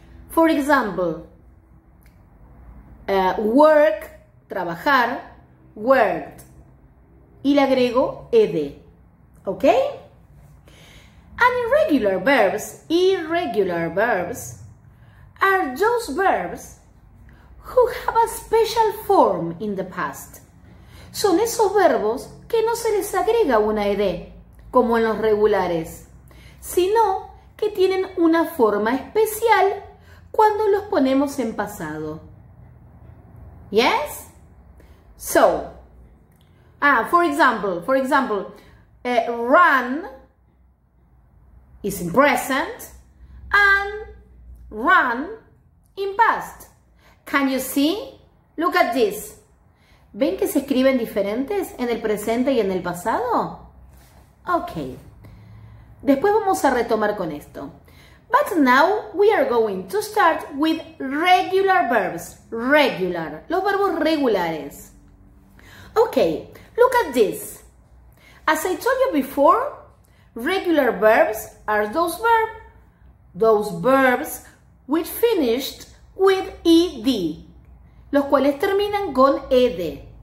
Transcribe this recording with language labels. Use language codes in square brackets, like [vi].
[en] For example, work, trabajar, worked. [es] Y le agrego ed. ¿Ok? [en] And irregular verbs, are those verbs who have a special form in the past. [es] Son esos verbos que no se les agrega una ed, como en los regulares, sino que tienen una forma especial cuando los ponemos en pasado. [en] Yes? So, run is in present and run in past. Can you see? Look at this. [es] ¿Ven que se escriben diferentes en el presente y en el pasado? Ok, después vamos a retomar con esto. [en] But now we are going to start with regular verbs. Regular, los verbos regulares. Ok, look at this. As I told you before, regular verbs are those verbs which finished with ed, los cuales terminan con ed.